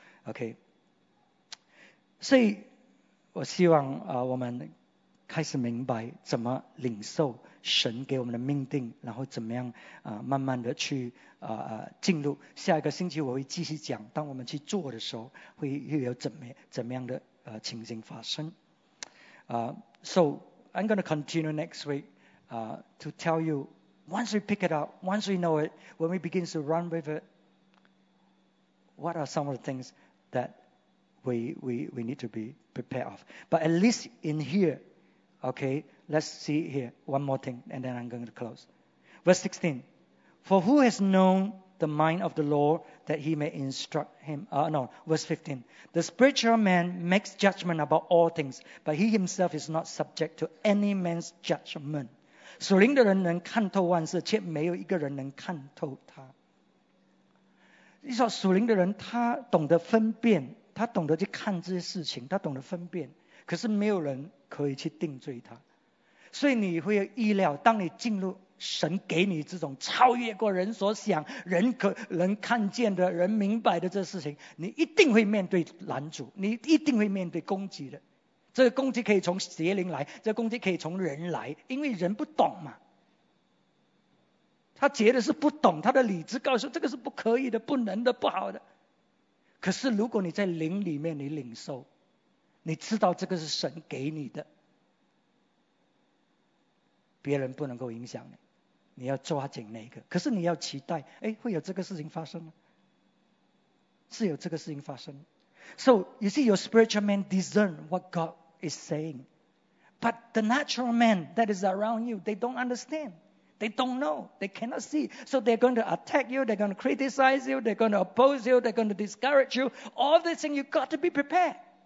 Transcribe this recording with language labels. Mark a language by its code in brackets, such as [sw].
[zh] OK， 所以我希望我们开始明白怎么领受神给我们的命定，然后怎么样慢慢的去进入。下一个星期我会继续讲，当我们去做的时候，会又有怎么样的情形发生。 [en] So。 I'm going to continue next week to tell you, once we pick it up, once we know it, when we begin to run with it, what are some of the things that we need to be prepared of. But at least in here, okay, let's see here one more thing and then I'm going to close. Verse 16, for who has known the mind of the Lord that he may instruct him? Verse 15. The spiritual man makes judgment about all things, but he himself is not subject to any man's judgment. [zh] 属灵的人能看透万事，却没有一个人能看透他。你说属灵的人他懂得分辨，他懂得去看这些事情，他懂得分辨，可是没有人可以去定罪他。所以你会有意料，当你进入神给你这种超越过人所想，人可能看见的，人明白的这事情，你一定会面对拦阻，你一定会面对攻击的。这个攻击可以从邪灵来，这个攻击可以从人来，因为人不懂嘛。他觉得是不懂，他的理智告诉这个是不可以的，不能的，不好的。可是如果你在灵里面你领受，你知道这个是神给你的，别人不能够影响你，你要抓紧那个。可是你要期待，哎，会有这个事情发生，是有这个事情发生。 [en] So you see, your spiritual man discern what God is saying, but the natural man that is around you, they don't understand, they don't know, they cannot see. So they're going to attack you, they're going to criticize you, they're going to oppose you, they're going to discourage you. All these things, you've got to be prepared.